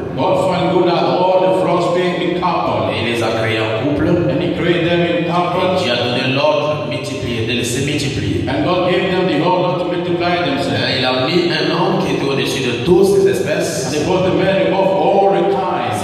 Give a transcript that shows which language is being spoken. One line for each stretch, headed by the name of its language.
English: God find good that all the frogs be in couple.
French: Et il les a créés en couple.
English: And he created them in couple.
French: Et Dieu a donné l'ordre multiplier, de les multiplier.
English: And God gave them the order to multiply themselves.
French: Et il a mis un homme qui était au-dessus de toutes ces espèces.
English: And he put the man above all the kinds.